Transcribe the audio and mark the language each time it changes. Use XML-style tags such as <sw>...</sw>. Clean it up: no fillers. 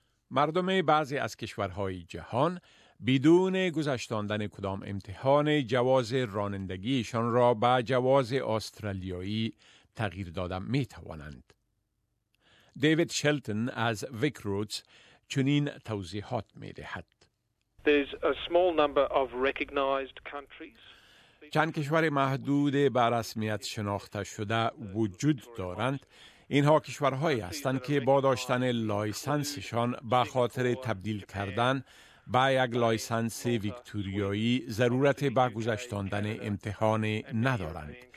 <fa>مردم بعضی از کشورهای جهان بدون گذشتاندن کدام امتحان جواز رانندگیشان را به جواز استرالیایی تغییر دادن می توانند. دیوید شلتن از ویک رودز چنین توضیحات می دهد.</fa> <en>There's a small number of recognized countries.</en> <fa>چند کشور محدود به رسمیت شناخته شده وجود دارند. اینها کشورهایی هستند که با داشتن لایسنسشان به خاطر تبدیل کردن به یک لایسنس ویکتوریایی ضرورت به گذشتاندن امتحان ندارند.</fa>